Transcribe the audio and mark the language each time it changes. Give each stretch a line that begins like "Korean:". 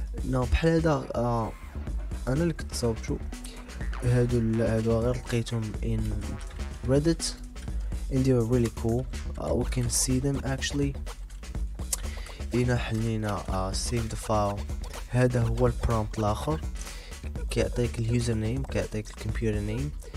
Arabic: ناو بحال هادا انا اللي كنت صاوبتو, هادو غير لقيتهم in Reddit and they were really cool.
English: We can see them actually. هنا حلينا save the file.
Arabic: هذا هو البرومبت الاخر, كيعطيك اليوزر نيم, كيعطيك الكمبيوتر نيم.